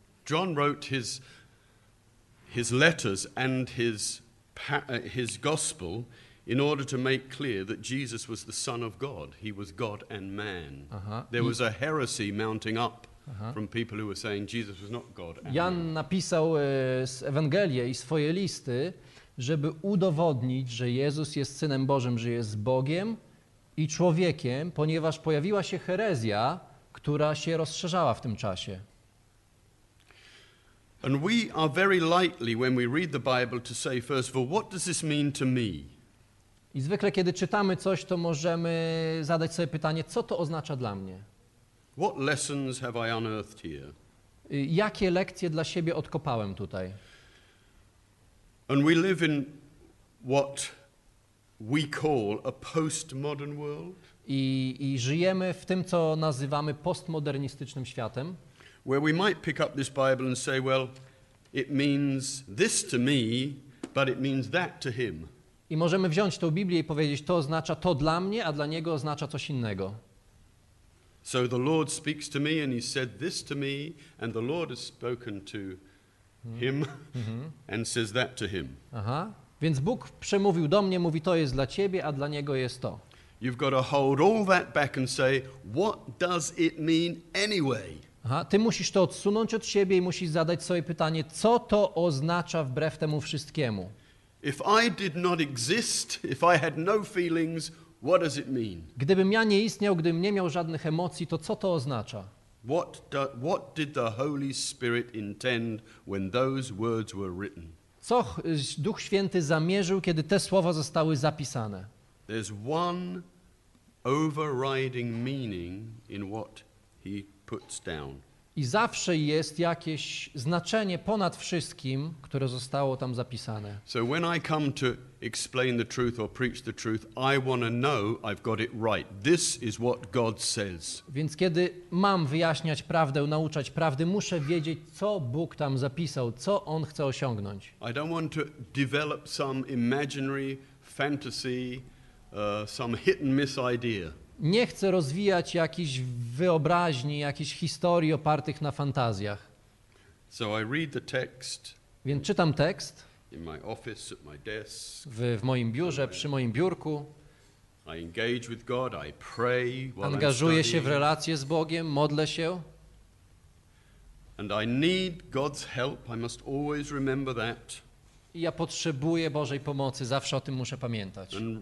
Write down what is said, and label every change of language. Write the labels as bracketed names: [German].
[English] John wrote his letters and his his gospel in order to make clear that Jesus was the Son of God. He was God and man. There was a heresy mounting up from people who were saying Jesus was not God and [Polish] Jan [English] man. [Polish] Napisał z Ewangelię i swoje listy, żeby udowodnić, że Jezus jest Synem Bożym, że jest Bogiem i człowiekiem, ponieważ pojawiła się herezja, która się rozszerzała w tym czasie. [English] And we are very likely when we read the Bible to say first of all, what does this mean to me? [Polish] I zwykle kiedy czytamy coś, to możemy zadać sobie pytanie, co to oznacza dla mnie? [English] What lessons have I unearthed here? [Polish] Jakie lekcje dla siebie odkopałem tutaj? [English] And we live in what we call a postmodern world. [Polish] I żyjemy w tym, co nazywamy postmodernistycznym światem. [English] Where we might pick up this Bible and say, well, it means this to me, but it means that to him. [Polish] I możemy wziąć tę Biblię i powiedzieć, to oznacza to dla mnie, a dla niego oznacza coś innego. [English] So the Lord speaks to me and he said this to me and the Lord has spoken to him and says that to him. Aha. [Polish] Więc Bóg przemówił do mnie, mówi to jest dla ciebie, a dla niego jest to. [English] You've got to hold all that back and say what does it mean anyway? [Polish] Aha, ty musisz to odsunąć od siebie i musisz zadać sobie pytanie, co to oznacza wbrew temu wszystkiemu? [English] If I did not exist, if I had no feelings, what does it mean? [Polish] Gdybym ja nie istniał, gdybym nie miał żadnych emocji, to co to oznacza? [English] What did the Holy Spirit intend when those words were written? [Polish] Co Duch Święty zamierzył, kiedy te słowa zostały zapisane? [English] There's one overriding meaning in what he puts down. [Polish] I zawsze jest jakieś znaczenie ponad wszystkim, które zostało tam zapisane. [English] So when I come to explain the truth or preach the truth, I want to know I've got it right. This is what God says. [Polish] Więc kiedy mam wyjaśniać prawdę, nauczać prawdy, muszę wiedzieć, co Bóg tam zapisał, co On chce osiągnąć. [English] I don't want to develop some imaginary fantasy, some hit and miss idea. [Polish] Nie chcę rozwijać jakichś wyobraźni, jakichś historii opartych na fantazjach. [English] So I read the text. [Polish] Więc czytam tekst. [English] In my office, at my desk. [Polish] W moim biurze, przy moim biurku. [English] I engage with God, I pray while I'm studying. [Polish] Angażuję się w relacje z Bogiem, modlę się. [English] And I need God's help. I must always remember that. [Polish] I ja potrzebuję Bożej pomocy, zawsze o tym muszę pamiętać.